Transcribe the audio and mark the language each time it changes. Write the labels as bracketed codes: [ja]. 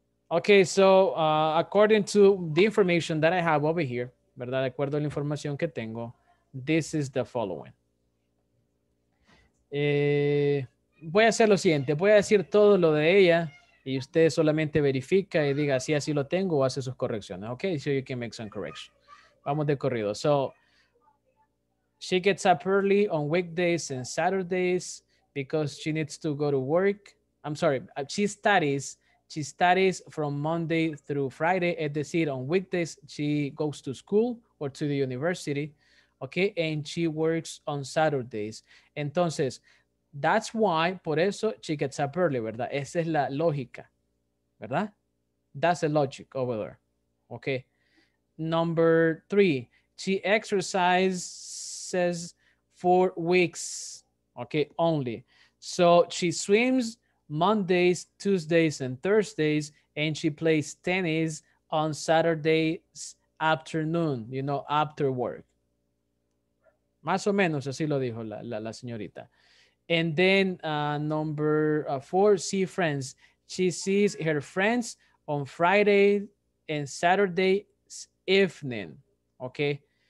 [en] Okay, so according to the information that I have over here, ¿verdad? [es] De acuerdo a la información que tengo, [en] this is the following. [es] Voy a hacer lo siguiente. Voy a decir todo lo de ella y usted solamente verifica y diga si así lo tengo o hace sus correcciones. [en] Okay, so you can make some correction. [es] Vamos de corrido. [en] So, she gets up early on weekdays and Saturdays because she needs to go to work. I'm sorry, she studies from Monday through Friday, [es] es decir, [en] on weekdays she goes to school or to the university, okay, and she works on Saturdays. Entonces, that's why, [es] por eso, [en] she gets up early, ¿verdad? [es] Esa es la lógica, ¿verdad? [en] That's the logic over there, okay? Number three, she exercises 4 weeks, okay, only. So she swims Mondays, Tuesdays, and Thursdays, and she plays tennis on Saturday's afternoon, you know, after work. [es] Más o menos, así lo dijo la señorita. [en] And then number four, see friends. She sees her friends on Friday and Saturday evening, okay?